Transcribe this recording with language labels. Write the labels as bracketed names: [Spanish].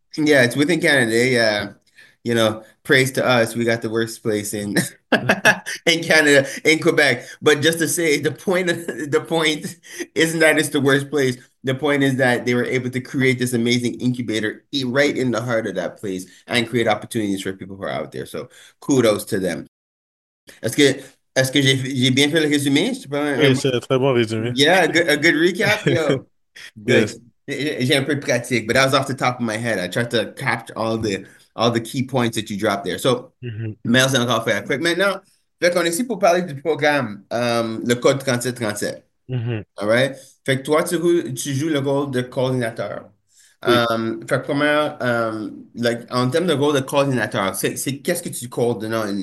[English] Yeah, it's within Canada. Yeah, praise to us, we got the worst place in in Canada, in Quebec. But just to say, the point isn't that it's the worst place. The point is that they were able to create this amazing incubator right in the heart of that place and create opportunities for people who are out there. So kudos to them. [French] Est-ce que j'ai bien fait le résumé? C'est pas Oui, un c'est un très bon résumé. [English] Yeah, a good recap, yo. Yes. Good. [French] J'ai un peu pratique, [English] but that was off the top of my head. I tried to capture all the key points that you dropped there. [French] So, merci encore pour la quick. Maintenant, fait qu'on est ici pour parler du programme, le code 3737. [English] All right? [French] Fait que toi, tu joues le rôle de coordinateur. Fait que comment, en termes de rôle de coordinateur, c'est qu'est-ce que tu coordonnes?